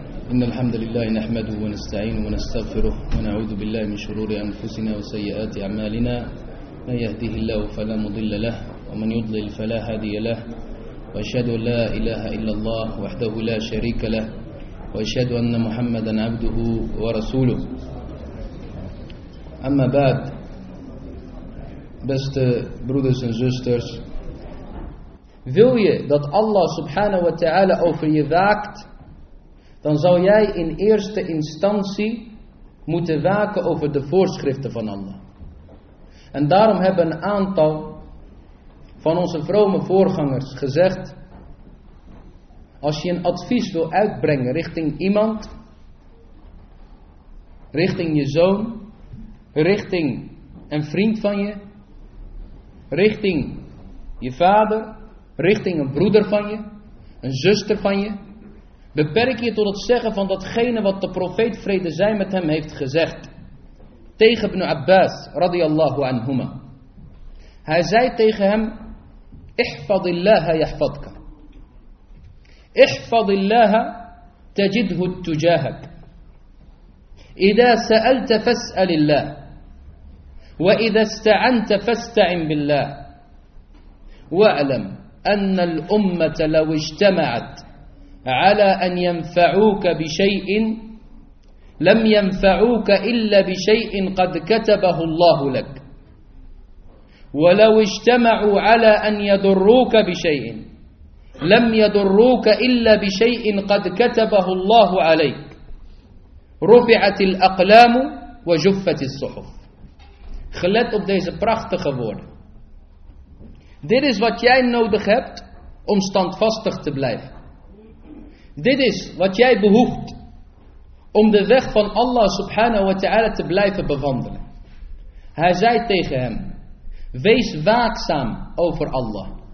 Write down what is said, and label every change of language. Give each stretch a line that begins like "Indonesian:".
Arabic: إن الحمد لله نحمده ونستعينه ونستغفره ونعوذ بالله من شرور أنفسنا وسيئات أعمالنا، من يهده الله فلا مضل له ومن يضلل فلا هادي له، وأشهد أن لا إله إلا الله وحده لا شريك له، وأشهد أن محمدا عبده ورسوله. أما بعد،
Dutch: beste
English: brothers and sisters,
Dutch: wil je dat Allah subhanahu wa ta'ala over je waakt, dan zou jij in eerste instantie moeten waken over de voorschriften van Allah. En daarom hebben een aantal van onze vrome voorgangers gezegd: als je een advies wil uitbrengen richting iemand, richting je zoon, richting een vriend van je, richting je vader, richting een broeder van je, een zuster van je, beperk je tot het zeggen van datgene wat de profeet vrede zij met hem heeft gezegd tegen Ibn Abbas radiyallahu anhuma. Hij zei tegen hem:
Arabic: ihfadillaha yahfadka, ihfadillaha tajidhu tujahak, idha sa'alta fas'alillah, wa idha sta'anta fasta'in billah, wa'alam annal ummata law ijtama'at على أن ينفعوك بشيء لم ينفعوك إلا بشيء قد كتبه الله لك، ولو اجتمعوا على أن يضروك بشيء لم يضروك إلا بشيء قد كتبه الله عليك، رفعت الأقلام وجفت الصحف.
Dutch: خلت op deze prachtige woorden. Dit is wat jij nodig hebt om standvastig te blijven. Dit is wat jij behoeft om de weg van Allah subhanahu wa ta'ala te blijven bewandelen. Hij zei tegen hem: wees waakzaam over Allah.